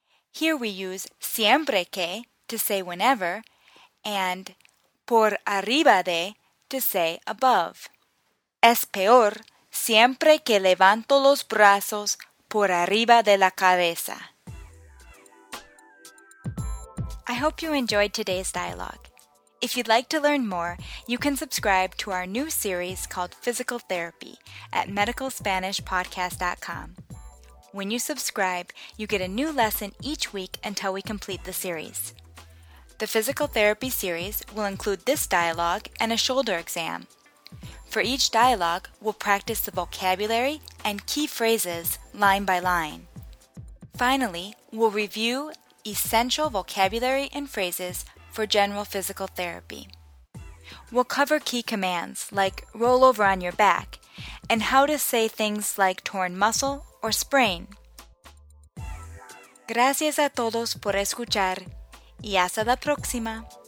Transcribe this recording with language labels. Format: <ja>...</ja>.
<en>Here we use</en> <es>siempre que</es> <en>to say whenever and</en> <es>por arriba de</es> <en>to say above.</en> <es>Es peor siempre que levanto los brazos por arriba de la cabeza.</es> <en>I hope you enjoyed today's dialogue. If you'd like to learn more, you can subscribe to our new series called Physical Therapy at medicalspanishpodcast.com. When you subscribe, you get a new lesson each week until we complete the series. The Physical Therapy series will include this dialogue and a shoulder exam. For each dialogue, we'll practice the vocabulary and key phrases line by line. Finally, we'll review essential vocabulary and phrases for general physical therapy. We'll cover key commands like roll over on your back and how to say things like torn muscle or sprain.</en> <es>Gracias a todos por escuchar y hasta la próxima.</es>